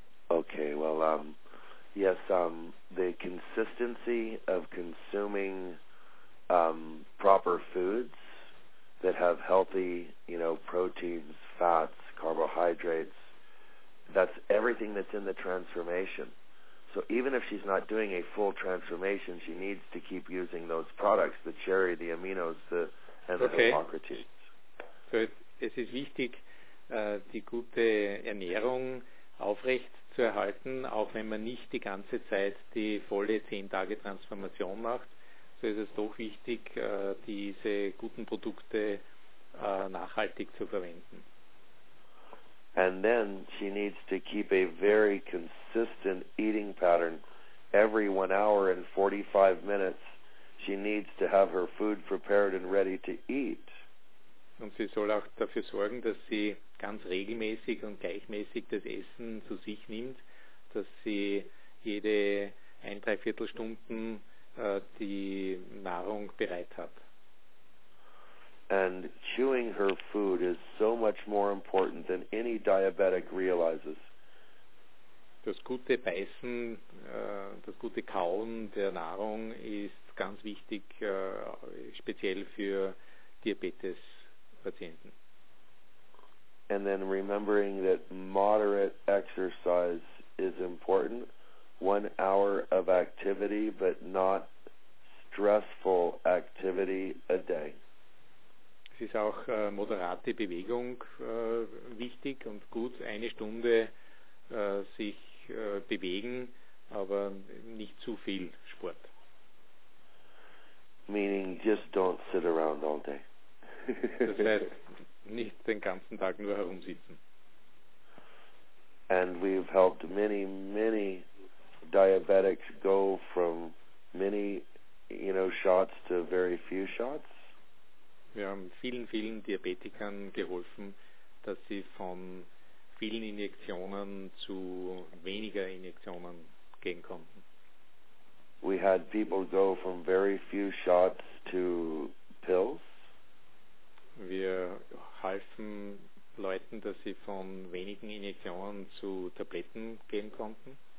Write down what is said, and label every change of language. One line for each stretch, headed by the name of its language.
English: Okay, well, yes, the consistency of consuming proper foods that have healthy, you know, proteins, fats, carbohydrates, that's everything that's in the transformation. So even if she's not doing a full transformation, she needs to keep using those products, the cherry, the aminos, the Hippocrates.
German: So es ist wichtig, die gute Ernährung aufrecht zu erhalten, auch wenn man nicht die ganze Zeit die volle 10-Tage-Transformation macht, so ist es doch wichtig, diese guten Produkte nachhaltig zu verwenden.
English: And then she needs to keep a very consistent eating pattern. Every 1 hour and 45 minutes she needs to have her food prepared and ready to eat.
German: Und sie soll auch dafür sorgen, dass sie ganz regelmäßig und gleichmäßig das Essen zu sich nimmt, dass sie jede 1-3 Viertelstunden die Nahrung bereit hat.
English: And chewing her food is so much more important than any diabetic realizes.
German: Das gute Beißen, das gute Kauen der Nahrung ist ganz wichtig, speziell für Diabetes.
English: And then remembering that moderate exercise is important. 1 hour of activity, but not stressful activity a day.
German: Es ist auch moderate Bewegung wichtig und gut, eine Stunde sich bewegen, aber nicht zu viel Sport.
English: Meaning just don't sit around all day.
German: Das heißt, nicht den ganzen Tag nur herumsitzen.
English: And we've helped many, many diabetics go from many, you know, shots to very few shots.
German: Wir haben vielen, vielen Diabetikern geholfen, dass sie von vielen Injektionen zu weniger Injektionen gehen konnten.
English: We had people go from very few shots to pills.
German: Wir halfen Leuten, dass sie von wenigen Injektionen zu Tabletten gehen konnten.